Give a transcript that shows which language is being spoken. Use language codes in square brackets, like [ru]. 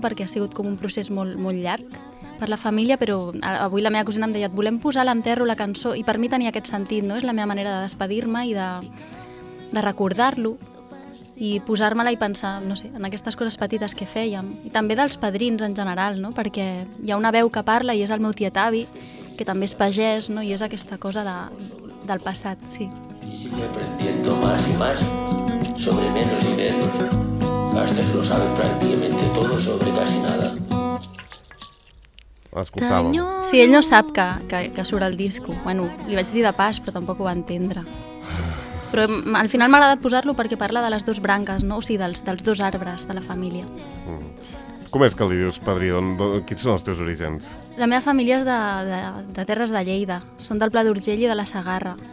[ca] Perquè ha sigut com un procés molt, molt llarg per la família, però avui la meva cosina em deia, et volem posar l'enterro, la cançó, i per mi tenia aquest sentit, no? És la meva manera de despedir-me i de recordar-lo i posar-me-la i pensar, no sé, en aquestes coses petites que fèiem. I també dels padrins en general, no? Perquè hi ha una veu que parla i és el meu tiet avi, que també és pagès, no? I és aquesta cosa del passat, sí. [es] Y sigue aprendiendo más y más sobre menos y menos. Hasta que lo sabe prácticamente todo sobre casi nada. [ca] L'escoltava. Sí, ell no sap que surt el disco. Bueno, li vaig dir de pas, però tampoc ho va entendre. Però al final m'ha agradat posar-lo perquè parla de les dues branques, no? O sigui, dels dos arbres de la família. Com és que li dius padrí? Quins són els teus orígens? La meva família és de Terres de Lleida. Són del Pla d'Urgell i de la Segarra.